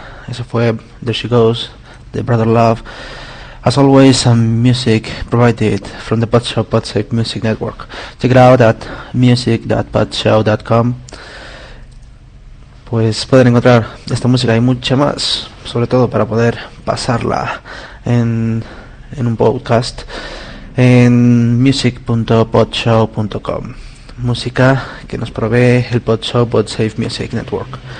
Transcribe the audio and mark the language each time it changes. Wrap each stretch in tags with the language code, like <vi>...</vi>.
<es>Eso fue There She Goes de Brother Love.</es> <en>As always, some music provided from the Podshow Podsec Music Network. Check it out at music.podshow.com.</en> <es>Pues pueden encontrar esta música y mucha más, sobre todo para poder pasarla en un podcast en music.podshow.com. Música que nos provee el Podshow Podsec Music Network.</es>